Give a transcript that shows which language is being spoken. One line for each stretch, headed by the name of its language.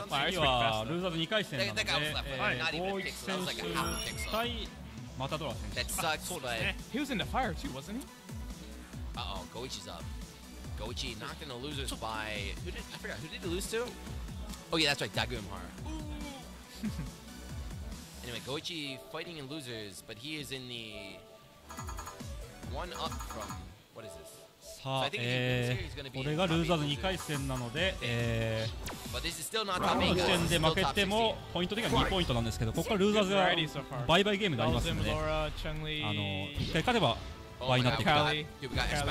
Japanese: 次はルーザーズ2回戦なので、ボーイク選手対マタドラ選手。そうですね、
English: He was in the fire too, wasn't he? Uh-oh, Goichi's up. Goichi knocked in the losers by... who did he lose to? Oh yeah, that's right, Dagumhar. Anyway, Goichi fighting in losers, but he is in the one up from... what is this?
Japanese: さあ、これがルーザーズ2回戦なので、この時点で負けてもポイント的には2ポイントなんですけど、ここからルーザーズがバイバイゲームでありますので、あの一回勝てば倍になっていくか。